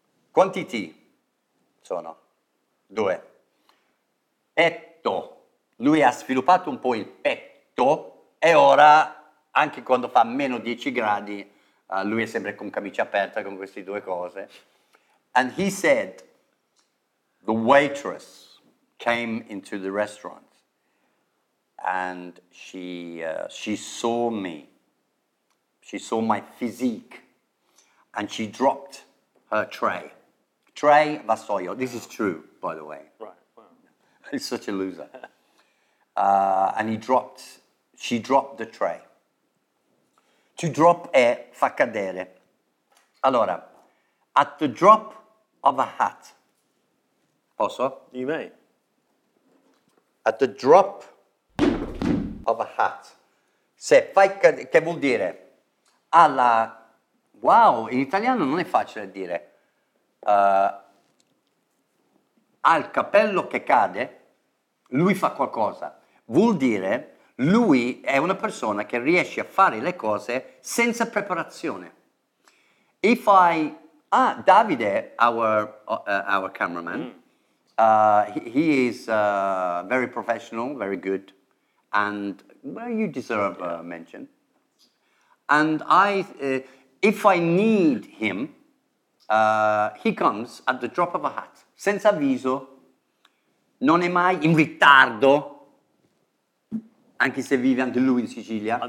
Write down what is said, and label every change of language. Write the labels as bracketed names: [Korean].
[Italian] Quanti T sono? 2. Petto. Lui ha sviluppato un po' il petto e ora, anche quando fa meno 10 gradi, lui è sempre con camicia aperta con queste due cose. [English] And he said, the waitress came into the restaurant. And she saw me, she saw my physique, and she dropped her tray. Tray vassoio. This is true, by the way. Right. Wow. He's such a loser. And she dropped the tray. To drop [Italian] è fa cadere. Allora, [English] at the drop of a hat. [Italian] Posso? [English] You may. At the drop of a hat. [Italian] Se fai cadere, che vuol dire? Alla, wow, in italiano non è facile dire. Al cappello che cade, lui fa qualcosa. Vuol dire, lui è una persona che riesce a fare le cose senza preparazione. [English] If I, Davide, our cameraman, he is very professional, very good, and Well, you deserve a mention. And I, if I need him, he comes at the drop of a hat, [Italian] senza avviso, non è mai in ritardo, anche se vive anche lui in Sicilia.